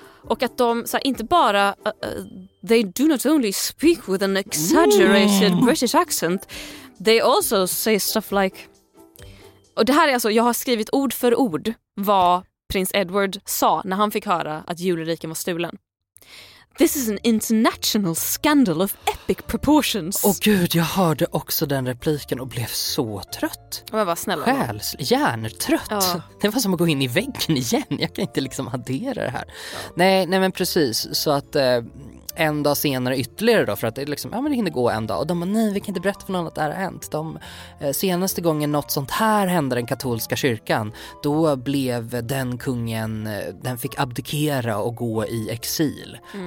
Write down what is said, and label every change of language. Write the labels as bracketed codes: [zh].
[sv] Och att de så här, inte bara, [en] they do not only speak with an exaggerated British accent, they also say stuff like... [sv] Och det här är alltså, jag har skrivit ord för ord vad prins Edward sa när han fick höra att julreliken var stulen. [en] This is an international scandal of epic proportions. [sv] Åh gud, jag hörde också den repliken och blev så trött. Men vad snälla. Hjärntrött. Ja. Det var som att gå in i väggen igen. Jag kan inte liksom addera det här. Ja. Nej men precis. Så att en dag senare ytterligare då, för att det, liksom, ja, men det hinner gå en dag. Och de bara, nej, vi kan inte berätta för någon att det här har hänt. De senaste gången något sånt här hände den katolska kyrkan, då blev den kungen, den fick abdikera och gå i exil. Mm.